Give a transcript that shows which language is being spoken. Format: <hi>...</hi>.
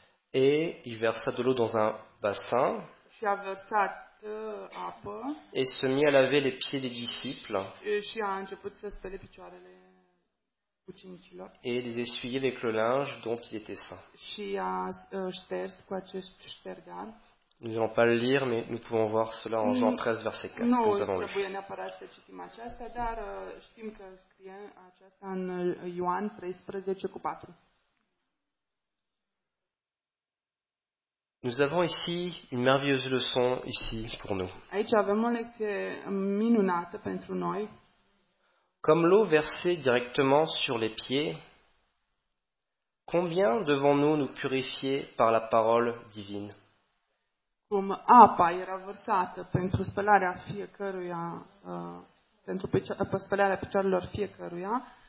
<fr>et il versa de l'eau dans un bassin,</fr> <ro>și a versat apă,</ro> <fr>et se mit à laver les pieds des disciples,</fr> <ro>și a început să spele picioarele.</ro> <fr>Et les essuyer avec le linge dont il était saint.</fr> <ro>Și a șters cu acest ștergar.</ro> <fr>Nous n'allons pas le lire, mais nous pouvons voir cela en Jean 13, verset 4.</fr> <ro>Nu,</ro> <fr>nous avons</fr> <ro>trebuie neapărat să citim aceasta, dar știm că scrie aceasta în Ioan 13, cu 4.</ro> <fr>Nous avons ici une merveilleuse leçon ici pour nous.</fr> <ro>Aici avem o lecție minunată pentru noi.</ro> <fr>Comme l'eau versée directement sur les pieds, combien devons-nous nous purifier par la parole divine?</fr> <ro>Cum apa era vărsată pentru spălarea fiecăruia, pentru spălarea picioarelor fiecăruia,</ro>